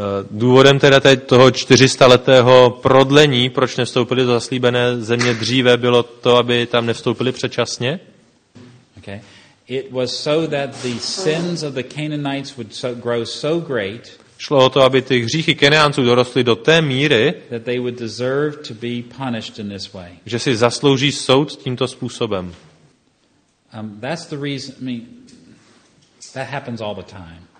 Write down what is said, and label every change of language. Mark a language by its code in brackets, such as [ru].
[cs] Důvodem teda teď toho 400letého prodlení, proč nevstoupili do zaslíbené země dříve, bylo to, aby tam nevstoupili předčasně. [en] Okay. It was so that the sins of the Canaanites would so, grow so great. [cs] Šlo o to, aby ty hříchy Kenánců dorostly do té míry, [en] that they would deserve to be punished in this way. [cs] Že si zaslouží soud tímto způsobem. [en] That's the reason, I mean, that happens all the time.